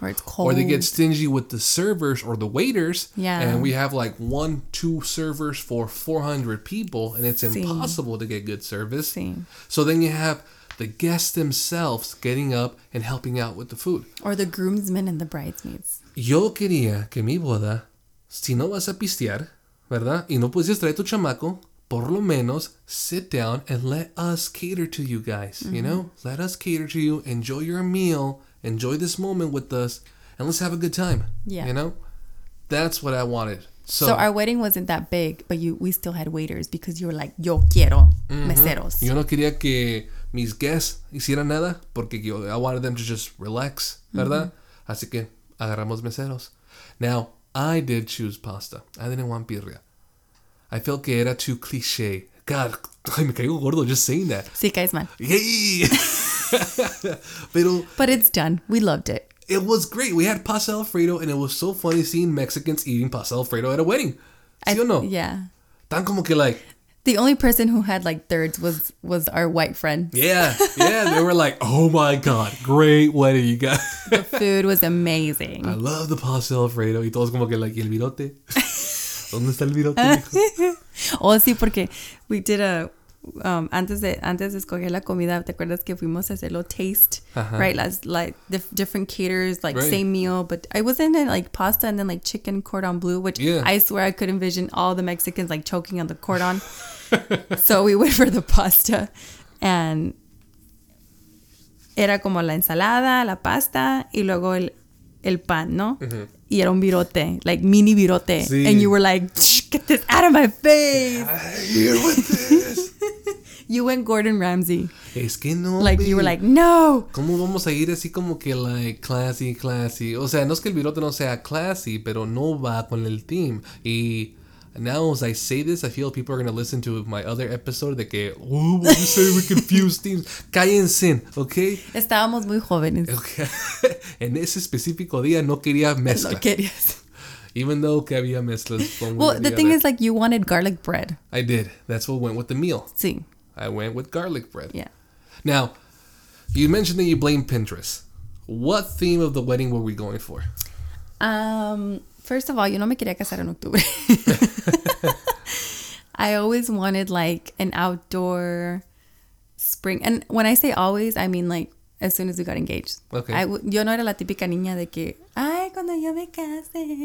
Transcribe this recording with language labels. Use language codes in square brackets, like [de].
[en] Or it's cold. Or they get stingy with the servers or the waiters. Yeah. And we have like 1-2 servers for 400 people. And it's impossible to get good service. See. So then you have the guests themselves getting up and helping out with the food. Or the groomsmen and the bridesmaids. [es] Yo quería que mi boda, si no vas a pistear, ¿verdad? Y no puedes traer tu chamaco, por lo menos, [en] sit down and let us cater to you guys, mm-hmm. You know? Let us cater to you. Enjoy your meal. Enjoy this moment with us. And let's have a good time. Yeah. You know? That's what I wanted. So our wedding wasn't that big, but we still had waiters because you were like, [es] yo quiero meseros. Yo no quería que mis guests hicieran nada porque [en] I wanted them to just relax, [es] ¿verdad? [en] Mm-hmm. [es] Así que agarramos meseros. [en] Now, I did choose pasta. I didn't want birria. I felt [es] que era [en] too cliche. God, [es] ay, me caigo gordo [en] just saying that. [es] Sí, caes mal. [en] Yay! But it's done. We loved it. It was great. We had pasta alfredo, and it was so funny seeing Mexicans eating pasta alfredo at a wedding. [es] ¿Sí o no? [en] Yeah. [es] Tan como que like... [en] The only person who had like thirds was our white friend. Yeah. Yeah. They were like, oh my God, great wedding you got. The food was amazing. I love the pasta alfredo. [es] Y todos como que like, y el virote. ¿Dónde está el virote? Oh, sí, porque [en] we did a... [es] antes de escoger la comida, ¿te acuerdas que fuimos a hacerlo taste? Uh-huh. [en] Right? Different caterers, like right. Same meal. But I wasn't in like pasta and then like chicken cordon bleu, which yeah. I swear I could envision all the Mexicans like choking on the cordon. So we went for the pasta. [es] And era como la ensalada, la pasta, y luego el pan, ¿no? Mm-hmm. Y era un virote, like mini virote. Sí. [en] And you were like, get this out of my face. Yeah, here with this. You went Gordon Ramsay. [es] Es que no. [en] Like, babe. You were like, no. [es] ¿Cómo vamos a ir así como que, [en] like, classy, classy? [es] O sea, no es que el virote no sea classy, pero no va con el team. [en] Y now as I say this, I feel people are going to listen to my other episode [es] de que, [en] oh, what you say? We confuse teams. [es] Cállense, okay? Estábamos muy jóvenes. Okay. En ese específico día no quería mezcla. No querías. [en] Even though [es] que había mezclas. [en] Well, the thing is, like, you wanted garlic bread. I did. That's what went with the meal. [es] Sí. [en] I went with garlic bread. Yeah. Now, you mentioned that you blame Pinterest. What theme of the wedding were we going for? [es] First of all, yo no me quería casar en octubre. [en] I always wanted like an outdoor spring. And when I say always, I mean like as soon as we got engaged. Okay. [es] Yo no era la típica niña de que, ay, cuando yo me case.